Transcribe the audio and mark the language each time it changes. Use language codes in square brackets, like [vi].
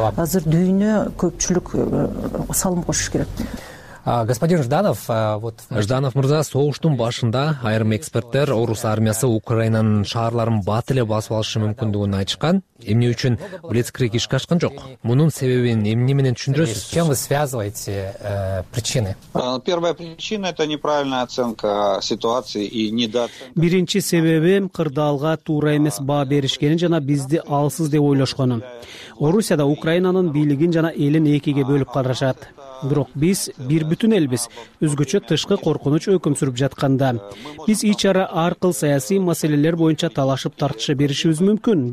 [ky] Азыр дүйнө көпчүлүк салым кошуш керек. [ru] Господин Жданов, [ky] Жданов мырза, согуштун башында айрым эксперттер орус армиясы Украинанын шаарларын бат эле басып алышы мүмкүндүгүн айтышкан. Эмне үчүн блицкриг ишке ашкан жок? Мунун себебин эмне менен түшүндүрөсүз? [ru] С чем вы связываете причины? Первая причина — это неправильная оценка ситуации и недооценка. [ky] Биринчи себеби кырдаалга туура эмес баа беришкени жана бизди алсыз деп ойлошконун. Орусияда Украинанын бийлигин жана элин экиге бөлүп карашат. Бирок биз бир бүтүн элбиз. Өзгөчө тышкы коркунуч өкүм сүрүп жатканда биз ич ара ар кыл саясий маселелер боюнча талашып тартыша беришибиз мүмкүн.